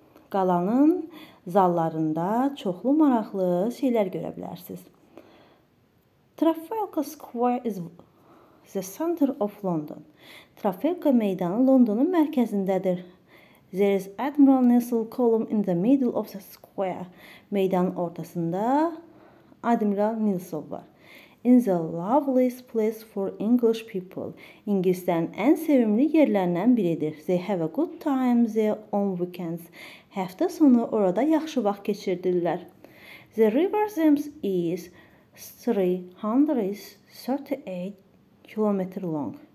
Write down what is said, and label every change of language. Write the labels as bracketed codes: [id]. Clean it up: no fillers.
[az] Qalanın zallarında çoxlu maraqlı şeylər görə bilərsiniz. [en] Trafalgar Square is the center of London. [az] Trafalgar meydanı London'un mərkəzindədir. [en] There is Admiral Nelson Column in the middle of the square. [az] Meydanın ortasında Admiral Nelson var. [en] In the loveliest place for English people. [az] İngilizlərin ən sevimli yerlərindən biridir. [en] They have a good time there on weekends. [az] Həftə sonu orada yaxşı vaxt keçirdirlər. [en] The river Thames is 338 km long.